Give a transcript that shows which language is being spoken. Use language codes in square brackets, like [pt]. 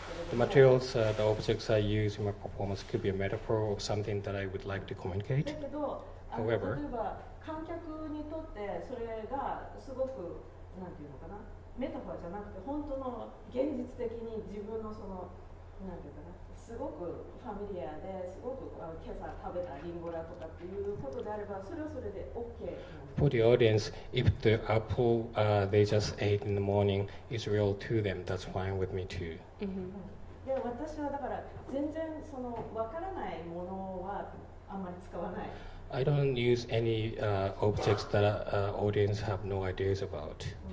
[en] The materials, the objects I use in my performance could be a metaphor of something that I would like to communicate. However, [ja] 観客にとってそれがすごくなんていうのかな metaphor じゃなくて本当の現実的に自分のその何て言うかなすごくファミリアですごく今朝食べたリンゴだとかっていうことであればそれはそれで OK なんです。 [en] For the audience, if the apple they just ate in the morning is real to them, that's fine with me too. [ja] で私はだから全然そのわからないものはあんまり使わない。 [en] I don't use any objects that audience have no ideas about.